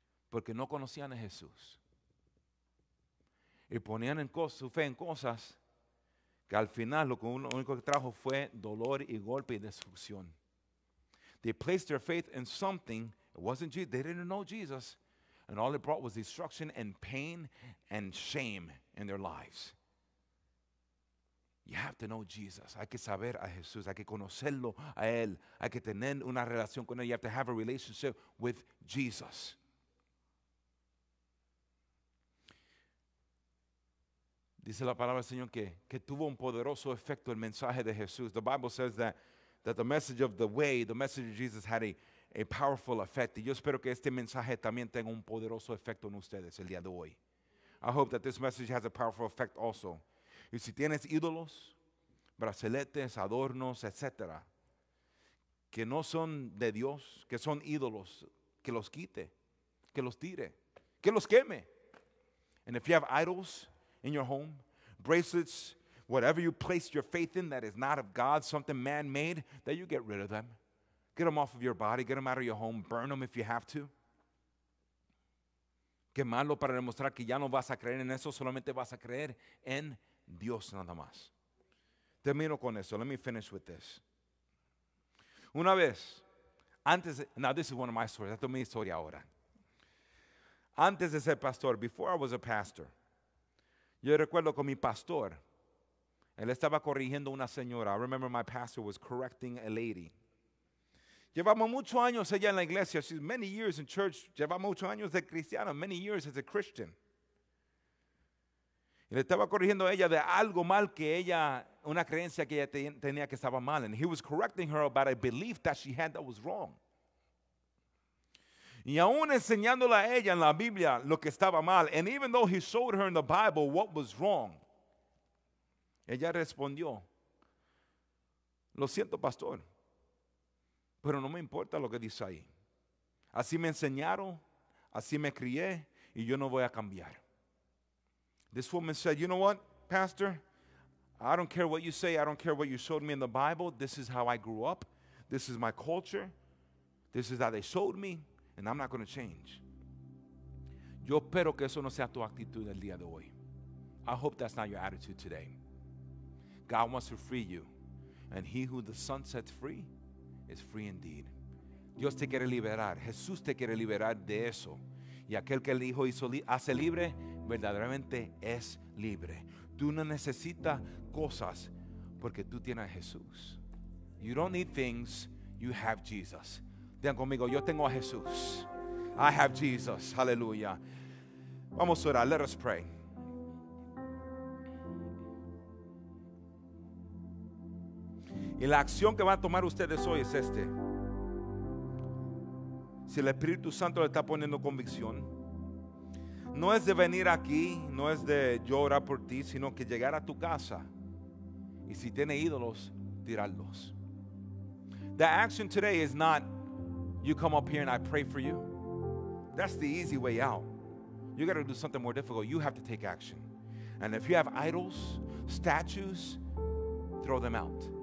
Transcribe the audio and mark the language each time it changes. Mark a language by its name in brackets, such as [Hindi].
[Spanish] Porque no conocían a Jesús. Y ponían su fe en cosas que al final lo único que trajo fue dolor y golpe y destrucción. [English] They placed their faith in something. It wasn't Jesus. They didn't know Jesus. And all it brought was destruction and pain and shame in their lives. You have to know Jesus. [Spanish] Hay que saber a Jesús. Hay que conocerlo a Él. Hay que tener una relación con Él. [English] You have to have a relationship with Jesus. [Spanish] Dice la palabra del Señor que tuvo un poderoso efecto el mensaje de Jesús. [English] The Bible says that the message of the way, the message of Jesus had a powerful effect. [Spanish] Y yo espero que este mensaje también tenga un poderoso efecto en ustedes el día de hoy. [English] I hope that this message has a powerful effect also. [Spanish] Y si tienes ídolos, braceletes, adornos, etc., que no son de Dios, que son ídolos, que los quite, que los tire, que los queme. [English] And if you have idols in your home, bracelets, whatever you place your faith in that is not of God, something man-made, that you get rid of them. Get them off of your body. Get them out of your home. Burn them if you have to. [Spanish] Quemarlo para demostrar que ya no vas a creer en eso, solamente vas a creer en Dios nada más. Termino con eso. [English] Let me finish with this. [Spanish] Una vez, antes, [English] now this is one of my stories. [Spanish] Esta es mi historia ahora. Antes de ser pastor, [English] before I was a pastor, [Spanish] yo recuerdo con mi pastor, él estaba corrigiendo una señora. [English] I remember my pastor was correcting a lady. [Spanish] Llevamos muchos años allá en la iglesia. [English] She's many years in church. [Spanish] Llevamos muchos años de cristiano, [English] many years as a Christian. [Spanish] Y le estaba corrigiendo a ella de algo mal que ella, una creencia que ella tenía que estaba mal. [English] And he was correcting her about a belief that she had that was wrong. Y aún enseñándole a ella en la Biblia lo que estaba mal. And even though he showed her in the Bible what was wrong, [Spanish] ella respondió, lo siento, pastor, pero no me importa lo que dice ahí. Así me enseñaron, así me crié, y yo no voy a cambiar. [English] This woman said, you know what, pastor? I don't care what you say. I don't care what you showed me in the Bible. This is how I grew up. This is my culture. This is how they showed me, and I'm not going to change. [Spanish] Yo espero que eso no sea tu actitud el día de hoy. [English] I hope that's not your attitude today. God wants to free you, and he who the Son sets free is free indeed. [Spanish] Dios te quiere liberar. Jesús te quiere liberar de eso. Y aquel que el Hijo hizo hace libre, verdaderamente es libre. Tú no necesitas cosas porque tú tienes a Jesús. [English] You don't need things, you have Jesus. [Spanish] Digan conmigo, yo tengo a Jesús. [English] I have Jesus. Hallelujah. [Spanish] Vamos a orar. [English] Let us pray. [Spanish] Y la acción que van a tomar ustedes hoy es este. Si el Espíritu Santo le está poniendo convicción, no es de venir aquí, no es de llorar por ti, sino que llegar a tu casa y si tiene ídolos, tirarlos. [English] The action today is not you come up here and I pray for you. That's the easy way out. You got to do something more difficult. You have to take action. And if you have idols, statues, throw them out.